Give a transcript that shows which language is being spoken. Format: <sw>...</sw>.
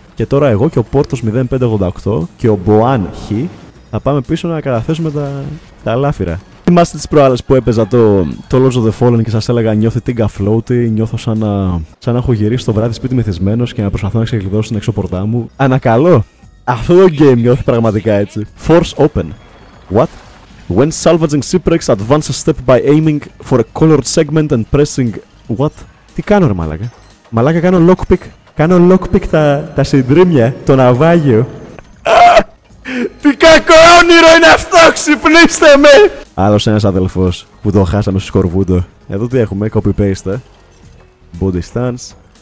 <el>Και τώρα εγώ και ο Πόρτος 0588 και ο Μποάν Χ θα πάμε πίσω να καταθέσουμε τα αλάφυρα. Θυμάστε τις προάλλες που έπαιζα το Lords of the Fallen και σας έλεγα νιώθω τίγκα floaty, νιώθω σαν να έχω γυρίσει το βράδυ σπίτι μεθυσμένος και να προσπαθώ να ξεκλειδώσω την εξωπορτά μου. Ανακαλώ! Αυτό το game νιώθει πραγματικά έτσι.</el> <en>Force open. What? When salvaging shipwrecks, advance a step by aiming for a colored segment and pressing...</en> <el>What? Τι κάνω ρε μαλάκα. Μαλάκα, κάνω lockpick. Κάνω lockpick τα συντρίμια, το ναυάγιο. Τι κακό όνειρο είναι αυτό, ξυπνήστε με! Άλλος ένας αδελφός που το χάσαμε στο σκορβούντο. Εδώ τι έχουμε, copy-paste. Body stance.</el>